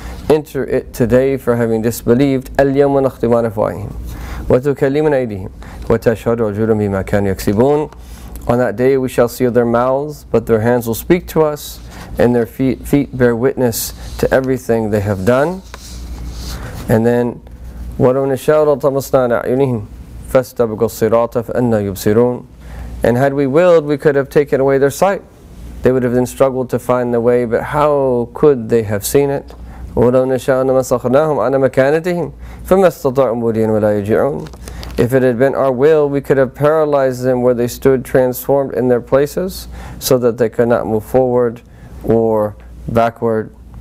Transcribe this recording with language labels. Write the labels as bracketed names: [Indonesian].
[English] Enter it today for having disbelieved. [Arabic] الْيَوْمَ نَخْتِمَ عَلَى أَفْوَاهِهِمْ وَتُكَلِّمُنَا أَيْدِيهِمْ وَتَشْهَدُ أَرْجُلُهُمْ بِمَا كَانُوا يَكْسِبُونَ. [English] On that day we shall seal their mouths, but their hands will speak to us, and their feet bear witness to everything they have done. And then, [Arabic] وَلَوْ نَشَاءُ لَطَمَسْنَا عَلَى أَعْيُنِهِمْ فَاسْتَبَقُوا الصِّرَاطَ فَأَنَّى يُبْصِرُونَ. [English] And had we willed, we could have taken away their sight. They would have then struggled to find the way, but how could they have seen it? [Arabic] وَلَوْ نَشَاءُ لَمَسَخْنَاهُمْ عَلَى مَكَانَتِهِمْ فَمَا اسْتَطَاعُوا مُضِيًّا وَلَا يَرْجِعُونَ. [English] If it had been our will, we could have paralyzed them where they stood transformed in their places, so that they could not move forward or backward.